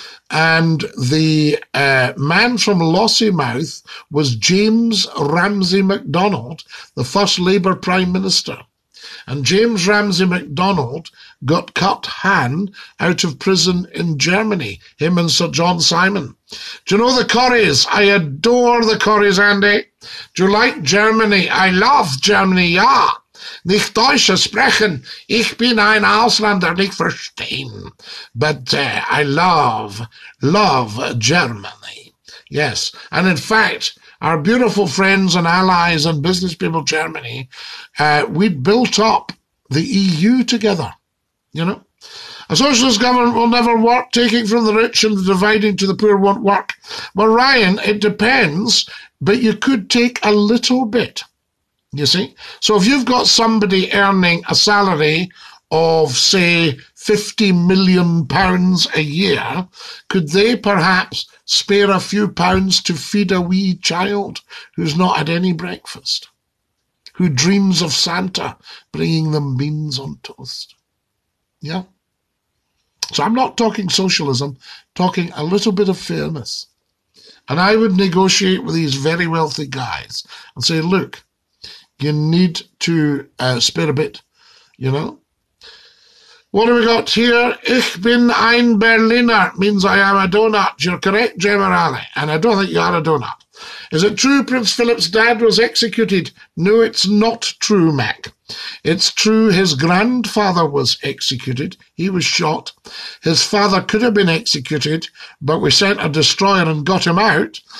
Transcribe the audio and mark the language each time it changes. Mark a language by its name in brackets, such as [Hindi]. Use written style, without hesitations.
[English] And the man from Lossiemouth was James Ramsay MacDonald, the first Labour Prime Minister. And James Ramsay MacDonald got Kurt Hahn out of prison in Germany, him and Sir John Simon. Do you know the Corries? I adore the Corries, Andy. Do you like Germany? I love Germany, [German] ja. Nicht Deutsch sprechen. Ich bin ein Ausländer, nicht verstehen. [English] But I love Germany. Yes, and in fact, our beautiful friends and allies and business people, Germany, we built up the EU together, you know. A socialist government will never work. Taking from the rich and dividing to the poor won't work. Well, Ryan, it depends, but you could take a little bit, you see. So if you've got somebody earning a salary of, say, £50 million a year, could they perhaps spare a few pounds to feed a wee child who's not had any breakfast, who dreams of Santa bringing them beans on toast? Yeah. So I'm not talking socialism, talking a little bit of fairness. And I would negotiate with these very wealthy guys and say, look, you need to spare a bit, you know. What have we got here? [German] Ich bin ein Berliner [English] means I am a donut. You're correct, Generale. And I don't think you are a donut. Is it true Prince Philip's dad was executed? No, it's not true, Mac. It's true his grandfather was executed. He was shot. His father could have been executed, but we sent a destroyer and got him out.